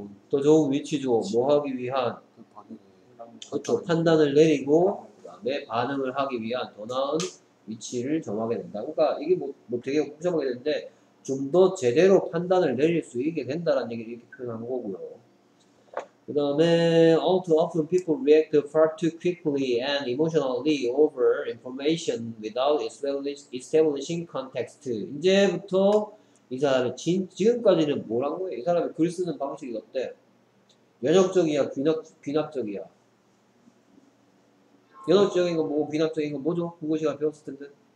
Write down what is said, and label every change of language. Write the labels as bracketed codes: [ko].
[ko] 더 좋은 위치죠. 뭐 하기 위한 그렇죠. 판단을 내리고 그다음에 반응을 하기 위한 더 나은 위치를 정하게 된다. 그러니까 이게 뭐 되게 복잡하게 되는데. 좀 더 제대로 판단을 내릴 수 있게 된다라는 얘기를 이렇게 표현한 거고요. 그 다음에 [en] All too often people react far too quickly and emotionally over information without establishing context. [ko] 이제부터 이 사람이 지금까지는 뭐란 거예요? 이 사람이 글 쓰는 방식이 어때? 연역적이야? 귀납적이야? 연역적인 건 뭐고 귀납적인 건 뭐죠? 국어 시간 배웠을 텐데?